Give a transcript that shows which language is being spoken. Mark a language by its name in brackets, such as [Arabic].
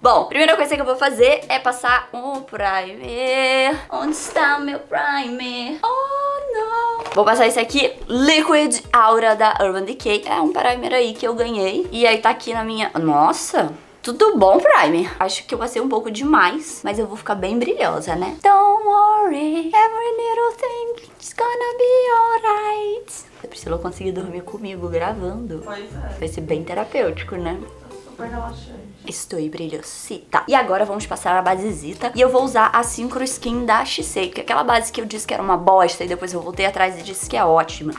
[Portuguese] Bom, primeira coisa que eu vou fazer é passar um primer. Onde está o meu primer? Oh, não. Vou passar esse aqui, Liquid Aura da Urban Decay. É um primer aí que eu ganhei. E aí tá aqui na minha... Nossa, tudo bom, primer? Acho que eu passei um pouco demais, mas eu vou ficar bem brilhosa, né? [English] Don't worry, every little thing is gonna be alright. [Portuguese] A Priscila conseguir dormir comigo gravando. Pois é. Vai ser bem terapêutico, né? Super relaxante. Estou brilhosita. E agora vamos passar a basezita. E eu vou usar a Synchro Skin da Shisei. Que é aquela base que eu disse que era uma bosta. E depois eu voltei atrás e disse que é ótima.